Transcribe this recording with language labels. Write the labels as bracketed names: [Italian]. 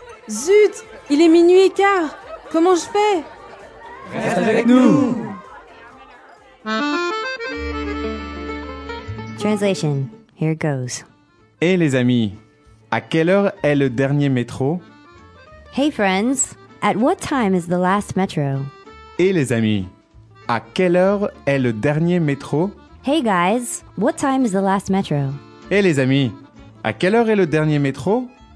[French] Zut, il est minuit et quart. Comment je fais? Reste avec nous. [English] Translation. Here it goes. [French] Hey les amis, à quelle heure est le dernier métro? [English] Hey friends, at what time is the last metro? [French] Hey les amis, à quelle heure est le dernier métro? [English] Hey guys, what time is the last metro? [French] Hey les amis, à quelle heure est le dernier métro?